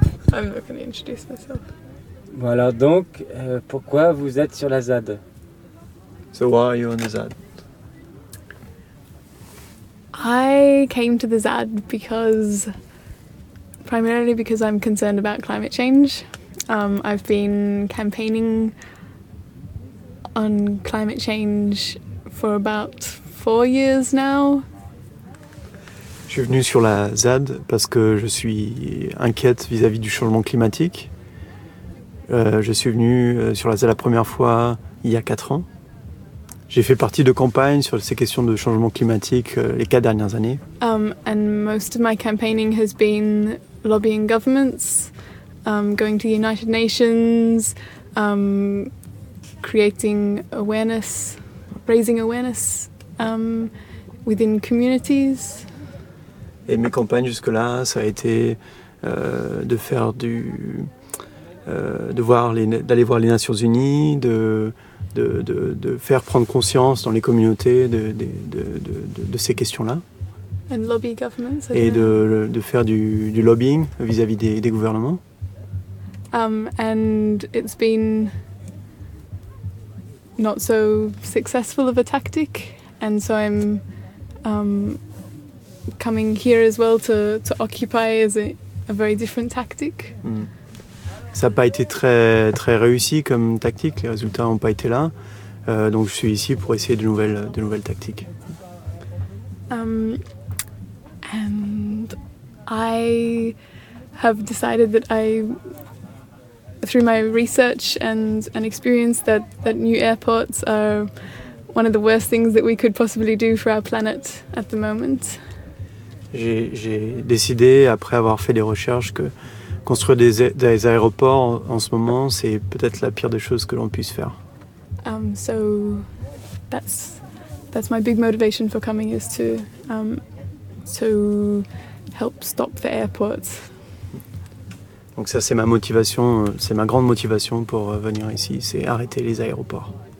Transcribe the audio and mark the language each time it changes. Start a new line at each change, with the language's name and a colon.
English: I'm not going to introduce myself.
French: Voilà, donc, pourquoi vous êtes sur la ZAD?
English: So why are you on the ZAD? I came to the ZAD because, primarily because I'm concerned about climate change. I've been campaigning on climate change for about 4 years now.
French: Je suis venu sur la ZAD parce que je suis inquiète vis-à-vis du changement climatique. Je suis venu sur la ZAD la première fois il y a 4 ans. J'ai fait partie de campagnes sur ces questions de changement climatique les 4 dernières années.
English: And most of my campaigning has been lobbying governments, going to the United Nations, creating awareness, raising awareness within communities.
French: Et mes campagnes jusque-là, ça a été de faire du... d'aller voir les Nations Unies, de faire prendre conscience dans les communautés de ces questions-là.
English: And lobby governments,
French: et de faire du lobbying vis-à-vis des gouvernements.
English: And it's been not so successful of a tactic, and so I'm coming here as well to occupy as a very different tactic. Mm.
French: Ça n'a pas été très, très réussi comme tactique, les résultats n'ont pas été là. Donc je suis ici pour essayer de nouvelles tactiques.
English: And I have decided that I, through my research and experience, that new airports are one of the worst things that we could possibly do for our planet at the moment.
French: J'ai décidé, après avoir fait des recherches, que construire des aéroports en ce moment, c'est peut-être la pire des choses que l'on puisse faire.
English: So that's my big motivation for coming is to help stop the airports.
French: Donc ça, c'est ma motivation, c'est ma grande motivation pour venir ici, c'est arrêter les aéroports.